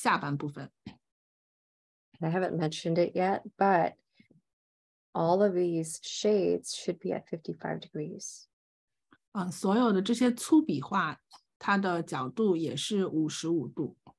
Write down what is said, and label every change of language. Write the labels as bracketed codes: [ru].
[zh] 第三个基础笔画是我们的下转角，下转角是由两部分组成的，它的上半部分是我们第一个竖直的粗笔画，下半部分呢是我们的顺椭圆的下半部分。 [en] I haven't mentioned it yet, but all of these shades should be at 55 degrees. [zh] 所有的这些粗笔画，它的角度也是55度。